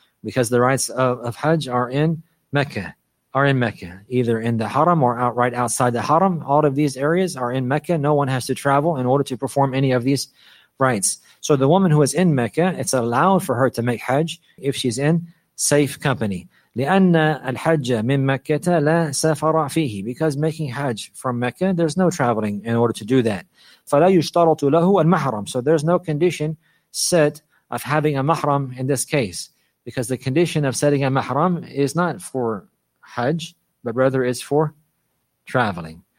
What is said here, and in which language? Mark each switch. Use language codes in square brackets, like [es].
[en] Because the rites of Hajj are in Mecca, either in the Haram or outright outside the Haram. All of these areas are in Mecca. No one has to travel in order to perform any of these rites. So the woman who is in Mecca, it's allowed for her to make Hajj if she's in safe company. [ar] لأن الحج من مكة لا سفر فيه. [en] Because making Hajj from Mecca, there's no traveling in order to do that. [ar] فلا يشترط له المحرم. [en] So there's no condition set of having a mahram in this case. Because the condition of setting a mahram is not for Hajj, but rather is for traveling.